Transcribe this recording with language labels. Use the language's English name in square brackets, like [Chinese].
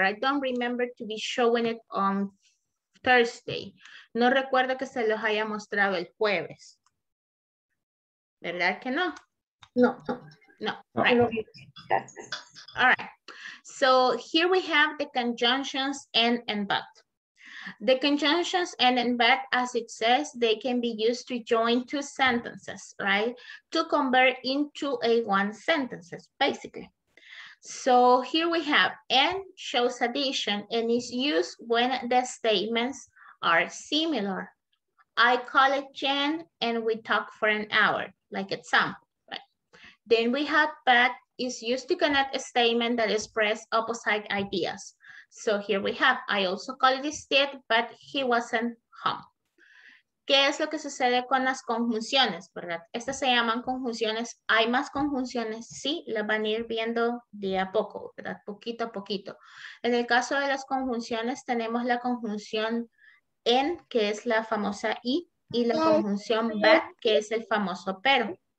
[English] I don't remember to be showing it on Thursday. [Spanish] No recuerdo que se los haya mostrado el jueves. ¿Verdad que no? No. [English] Right. All right. So here we have the conjunctions and but. The conjunctions and but, as it says, they can be used to join two sentences, right? To convert into a one sentence, basically. So here we have and shows addition and is used when the statements are similar. I call it Jen and we talk for an hour, like example, right? Then we have but is used to connect a statement that express opposite ideas. So here we have, I also call it instead, but he wasn't home. [Spanish] ¿Qué es lo que sucede con las conjunciones, verdad? Estas se llaman conjunciones. ¿Hay más conjunciones? Sí, las van a ir viendo de a poco, ¿verdad? Poquito a poquito. En el caso de las conjunciones, tenemos la conjunción en, que es la famosa y la conjunción but, que es el famoso pero.